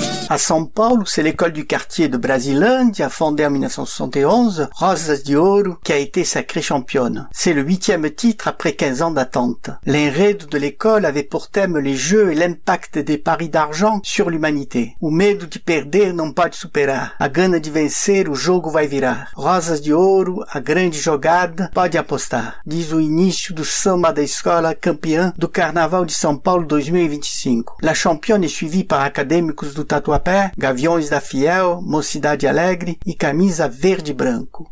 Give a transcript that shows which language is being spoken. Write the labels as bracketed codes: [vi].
[fr] À São Paulo, c'est l'école du quartier de Brasilândia, fondée en 1971, Rosas de Ouro, qui a été sacrée championne. C'est le 8e titre après 15 ans d'attente. L'enredo de l'école avait pour thème les jeux et l'impact des paris d'argent sur l'humanité. [pt] O medo de perder, [fr] non pas [pt] de superar. A gana de vencer, o jogo vai virar. Rosas de Ouro, a grande jogada, pode apostar. Diz o início do samba da escola campeã do Carnaval de São Paulo 2025. [fr] La championne est suivie par académicos do Tatuapé. Gaviões da Fiel, Mocidade Alegre e Camisa Verde e Branco.